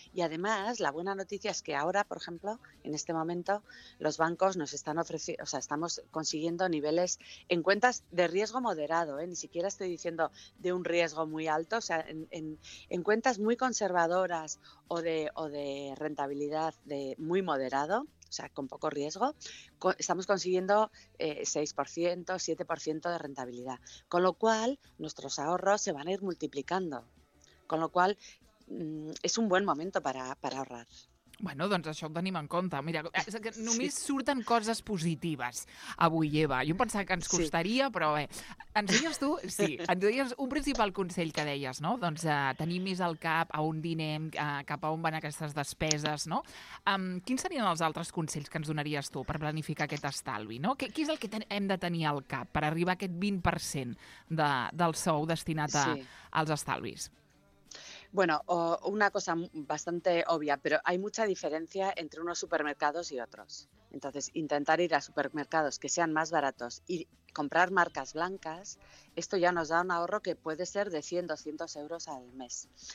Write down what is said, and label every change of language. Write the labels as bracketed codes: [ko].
[es] Y además, la buena noticia es que ahora, por ejemplo, en este momento, los bancos nos están ofreciendo, o sea, estamos consiguiendo niveles en cuentas de riesgo moderado, ni siquiera estoy diciendo de un riesgo muy alto, o sea, en cuentas muy conservadoras o de rentabilidad de muy moderado, o sea, con poco riesgo, estamos consiguiendo 6%, 7% de rentabilidad. Con lo cual, nuestros ahorros se van a ir multiplicando. Con lo cual, es un buen momento para ahorrar. [ca] Bueno, doncs això ho tenim en compte. Mira, és que només sí, surten coses positives avui, Eva. Jo pensava que ens costaria, sí, però bé. Ensenyes tu? Sí. Ensenyes un principal consell que deies, no? Doncs tenir més al cap a on dinem, cap a on van aquestes despeses, no? Quins serien els altres consells que ens donaries tu per planificar aquest estalvi, no? Què és el que hem de tenir al cap per arribar a aquest 20% del sou destinat als estalvis? [es] Bueno, una cosa bastante obvia, pero hay mucha diferencia entre unos supermercados y otros. Entonces, intentar ir a supermercados que sean más baratos y comprar marcas blancas, esto ya nos da un ahorro que puede ser de 100, 200 euros al mes.